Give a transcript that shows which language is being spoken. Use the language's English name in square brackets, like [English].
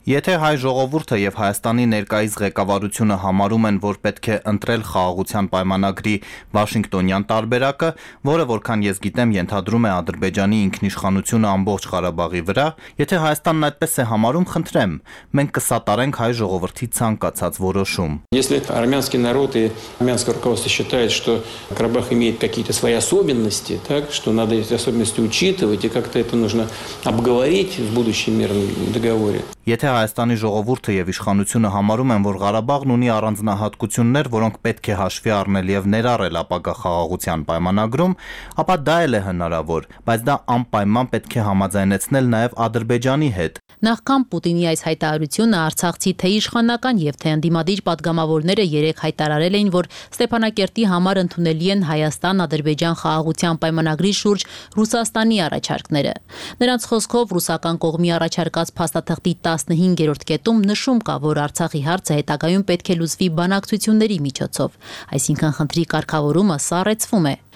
[Armenian] Եթե հայ ժողովուրդը եւ Հայաստանի ներկայիս ղեկավարությունը համարում են, որ պետք է ընտրել խաղաղության պայմանագրի Վաշինգտոնյան տարբերակը, որը որքան ես գիտեմ ենթադրում է Ադրբեջանի ինքնիշխանությունը ամբողջ Ղարաբաղի վրա, եթե Հայաստանն այդպես է համարում, խնդրեմ, մենք կսատարենք հայ ժողովրդի ցանկացած որոշում։ Եթե արմենյացի [Russian] народ и армянское руководство считает, что Карабах имеет какие-то свои особенности, так что надо эти особенности учитывать и как-то это нужно обговорить в будущем мирном договоре. [Armenian] Եթե Հայաստանի ժողովուրդը եւ իշխանությունը համարում են, որ Ղարաբաղն ունի առանձնահատկություններ, որոնք պետք է հաշվի առնել եւ ներառել ապագա խաղաղության պայմանագրում, ապա դա էլ է հնարավոր, բայց դա անպայման պետք է համաձայնեցնել նաեւ Ադրբեջանի հետ։ Նախքան Պուտինի այս հայտարարությունը, Արցախցի թե իշխանական եւ թե ընդդիմադիր падգամավորները երեք հայտարարել էին, որ Ստեփանակերտի համար ընդունելի են Հայաստան-Ադրբեջան խաղաղության պայմանագրի շուրջ Ռուսաստանի առաջարկները։ Նրանց խոսքով ռուսական կողմի առաջարկած փաստաթղթի 15-րդ կետում նշում կա, որ Արցախի հարցը հետագայում պետք է լուծվի բանակցությունների միջոցով, այսինքն խնդրի կարգավորումը սառեցվում է։